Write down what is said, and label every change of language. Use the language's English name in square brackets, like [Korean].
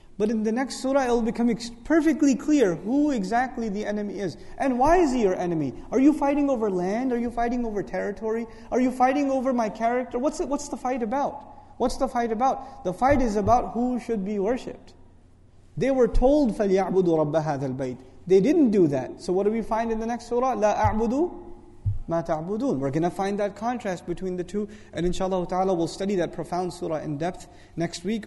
[English] But in the next surah it will become perfectly clear who exactly the enemy is. And why is he your enemy? Are you fighting over land? Are you fighting over territory? Are you fighting over my character? What's the fight about? What's the fight about? The fight is about who should be worshipped. They were told, [Arabic] فَلْيَعْبُدُوا رَبَّ هَذَا الْبَيْتِ. [English] They didn't do that. So what do we find in the next surah? [Arabic] لَا أَعْبُدُوا مَا تَعْبُدُونَ. [English] We're going to find that contrast between the two. And inshallah ta'ala, we'll study that profound surah in depth next week.